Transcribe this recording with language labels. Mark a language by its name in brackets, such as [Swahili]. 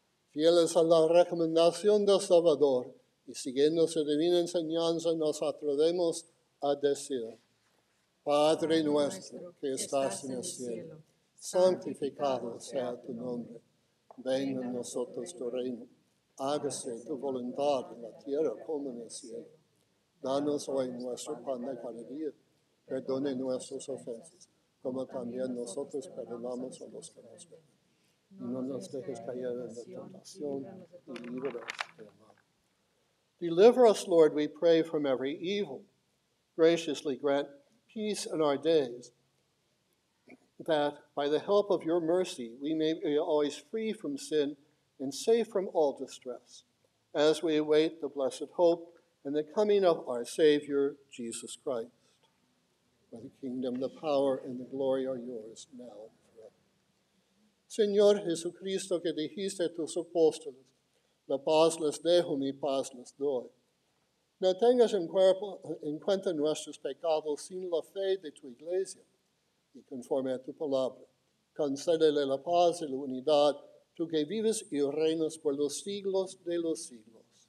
[Spanish] Fieles a la recomendación del Salvador y siguiendo su divina enseñanza, nos atrevemos a decir: Padre nuestro que estás en el cielo, santificado sea tu nombre, venga a nosotros tu reino, hágase tu voluntad en la tierra como en el cielo. Danos hoy nuestro pan de cada día, perdone nuestras ofensas, como también nosotros perdonamos a los que nos ofenden. Y no nos dejes caer en la tentación, y líbranos del mal. [English] Deliver us, Lord, we pray, from every evil. Graciously grant peace in our days, that by the help of your mercy we may be always free from sin and safe from all distress, as we await the blessed hope and the coming of our Savior, Jesus Christ. For the kingdom, the power, and the glory are yours now. [Spanish] Señor Jesucristo, que dijiste a tus apóstoles, la paz les dejo, mi paz les doy. No tengas en cuenta nuestros pecados, sino la fe de tu iglesia, y conforme a tu palabra. Concédele la paz y la unidad, tú que vives y reinas por los siglos de los siglos.